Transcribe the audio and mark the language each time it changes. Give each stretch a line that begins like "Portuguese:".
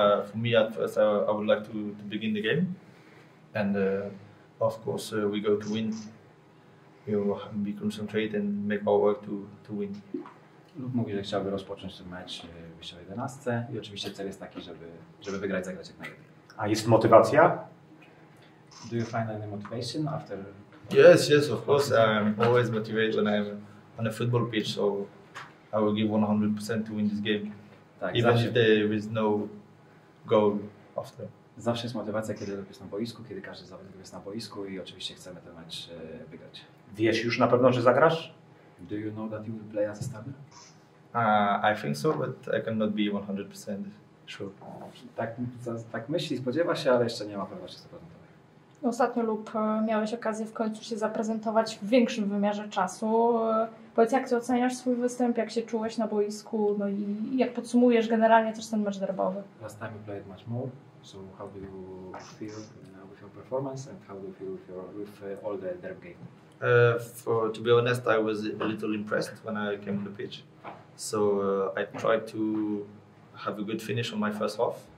English: For me at first I would like to begin the game. And of course we go to win. We concentrate and make our work to win.
Polish: Lub mówi, że chciałby rozpocząć ten mecz w 11 i oczywiście cel jest taki, żeby wygrać, zagrać jak najlepiej. A jest motywacja?
English: Do you find any motivation after? Yes, of course. I'm always motivated when I'm on a football pitch, so I will give 100% to win this game.
Polish: Tak,
English: even
Polish: zawsze.
English: If there is no goal after.
Polish: Zawsze jest motywacja, kiedy jest na boisku, kiedy każdy zawodnik jest na boisku i oczywiście chcemy ten mecz wygrać. Wiesz już na pewno, że zagrasz?
English: Do you know that you will play as a starter? I think so, but I cannot be 100% sure.
Polish: Tak myśli, spodziewa się, ale jeszcze nie ma pewności 100%. Ostatnio lub miałeś okazję w końcu się zaprezentować w większym wymiarze czasu. Powiedz, jak ty oceniasz swój występ, jak się czułeś na boisku, no i jak podsumujesz generalnie też ten mecz derbowy?
English: Last time you played much more, so how do you feel with your performance and how do you feel with all the derb game? To be honest, I was a little impressed when I came on the pitch. So I tried to have a good finish on my first half.